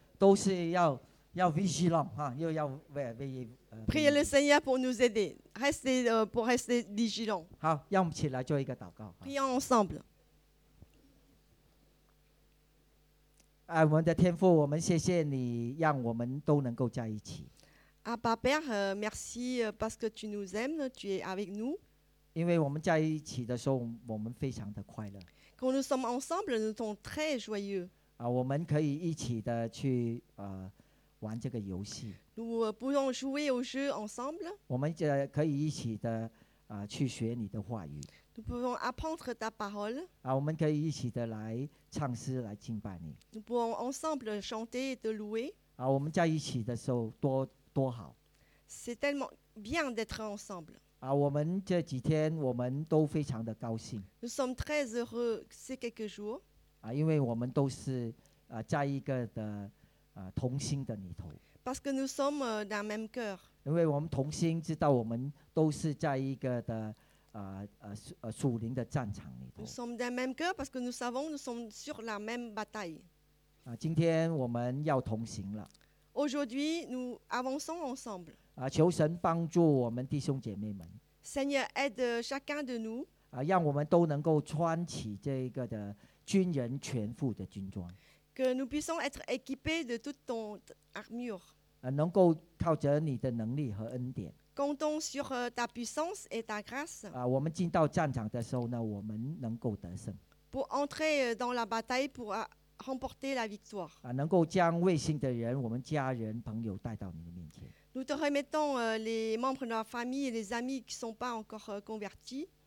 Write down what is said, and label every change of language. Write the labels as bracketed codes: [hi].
[zh] 都是要 vigilant 哈，又要 very [fr] Priez le Seigneur pour nous aider. Restez pour rester vigilant. [zh] 好，让我们起来做一个祷告。 [fr] Prions ensemble. [zh] 爱我们的天父，我们谢谢你，让我们都能够在一起。 [fr] Abba Père, merci parce que tu nous aimes, tu es avec nous. [zh] 因为我们在一起的时候，我们非常的快乐。 [fr] Quand nous sommes ensemble, nous sommes très joyeux. [zh] 我们可以一起的去玩这个游戏。 [fr] Nous pouvons jouer au jeu ensemble. [zh] 我们可以一起的去学你的话语。 [fr] Nous pouvons apprendre ta parole. [zh] 我们可以一起的来唱诗来敬拜你。 [fr] Nous pouvons ensemble chanter et te louer. [zh] 我们在一起的时候多好。 [fr] C'est tellement bien d'être ensemble. [zh] 我们这几天我们都非常的高兴。 [fr] Nous sommes très heureux ces quelques jours. [zh] 因为我们都是在一个的同心的里头。 [fr] Parce que nous sommes dans le même cœur. [zh] 因为我们同心，知道我们都是在一个的属灵的战场里头。 [fr] Nous sommes dans le même cœur parce que nous savons nous sommes sur la même bataille. [zh] 今天我们要同行了。 [fr] Aujourd'hui, nous avançons ensemble. [zh] 求神帮助我们弟兄姐妹们。 [fr] Seigneur, aide chacun de nous. [zh] 让我们都能够穿起这个的。军人全副的军装。 [fr] Que nous puissions être équipés de toute ton armure. [zh] 能够靠着你的能力和恩典。 [fr] Comptons sur ta puissance et ta grâce. [zh] 我们进到战场的时候呢，我们能够得胜。 [fr] Pour entrer dans la bataille pour remporter la victoire. [zh] 能够将未信的人，我们家人朋友带到你的面前。 [fr] Nous te remettons les membres de la famille et les amis qui ne sont pas encore convertis.